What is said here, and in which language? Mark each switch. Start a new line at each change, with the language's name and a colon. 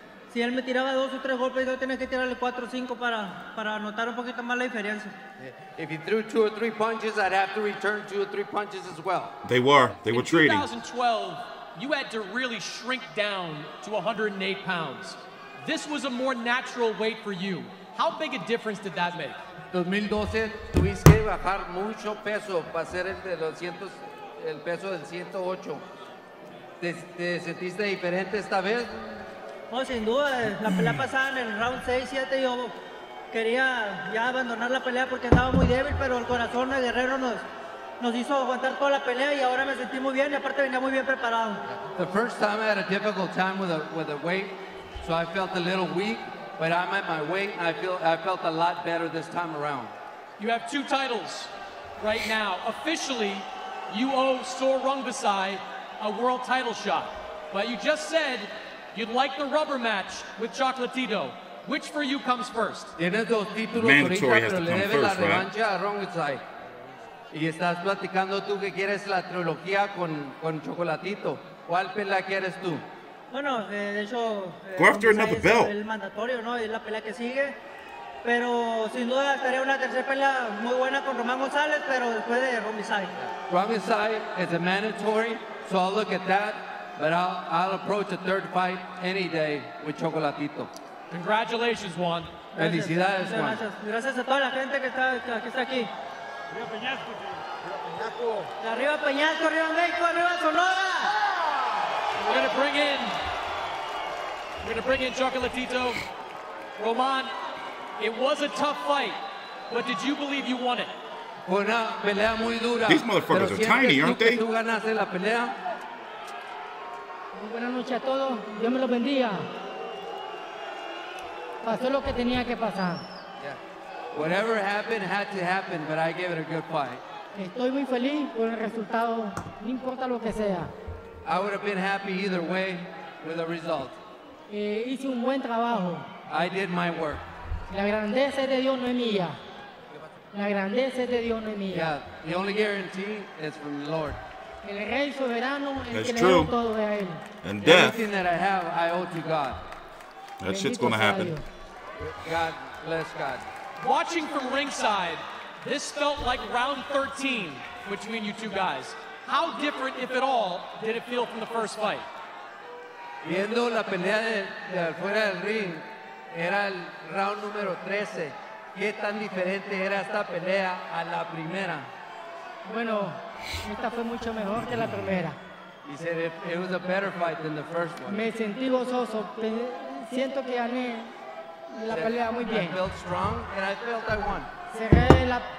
Spanish: Si él me tiraba dos o tres golpes, yo tenía que tirarle cuatro o cinco para notar un poquito más la diferencia.
English: If he threw two or three punches, I'd have to return two or three punches as well. They were trading. In 2012, you had to really shrink down to 108 pounds. This was a more natural weight for you. How big a difference did that make?
Spanish: 2012, tuviste que bajar mucho peso para ser el peso del 108. ¿Te sentiste diferente esta vez? Oh, sin duda, la pelea pasada en el round 6-7 yo quería ya abandonar la pelea porque estaba muy débil, pero el corazón de Guerrero nos hizo aguantar toda la pelea y ahora me sentí muy bien y aparte venía muy bien preparado.
English: The first time I had a difficult time with the weight, so I felt a little weak, but I'm at my weight. I felt a lot better this time around. You have two titles right now. Officially, you owe Sor Rungvisai a world title shot, but you just said you'd like the rubber match with Chocolatito. Which for you comes first? Mandatory has to come first, right?
Spanish: Y estás platicando tú que quieres la trilogía con Chocolatito. ¿Cuál pelea quieres tú? Bueno, de hecho...
English: Go after another belt.
Spanish: El mandatorio, ¿no? Es la pelea que sigue. Pero sin duda estaría una tercera pelea muy buena con Román González, pero después de Rungvisai.
English: Rungvisai is a mandatory, so I'll look at that. But I'll approach a third fight any day with Chocolatito. Congratulations, Juan.
Spanish: Felicidades, Juan. Gracias a toda la gente que está aquí. Arriba Peñasco. Arriba Peñasco, arriba México, arriba Sonora.
English: We're gonna bring in Chocolatito. Roman, it was a tough fight, but did you believe you won it?
Spanish: Una pelea muy dura.
English: These motherfuckers are tiny, aren't they?
Spanish: Tú ganaste la pelea. Buenas noches a todos. Dios me los bendiga. Pasó lo que tenía que pasar.
English: Yeah. Whatever happened had to happen, but I gave it a good fight.
Spanish: Estoy muy feliz con el resultado. No importa lo que sea.
English: I would have been happy either way with the result.
Spanish: Hice un buen trabajo.
English: I did my work.
Spanish: La grandeza de Dios no es mía. La grandeza de Dios no es mía.
English: Yeah, the only guarantee is from the Lord.
Spanish: El Rey Soberano es que le da todo a él.
English: And death. Everything that I have, I owe to God. That shit's gonna happen. God bless God. Watching from ringside, this felt like round 13 between you two guys. How different, if at all, did it feel from the first fight?
Spanish: Viendo la pelea de afuera del ring, era el round número 13. ¿Qué tan diferente era esta pelea a la primera? Bueno, esta fue mucho mejor que la primera.
English: He said it was a better fight than the first one.
Spanish: Me sentí gozoso. Siento que gané la pelea muy bien.
English: I felt strong and I felt I won.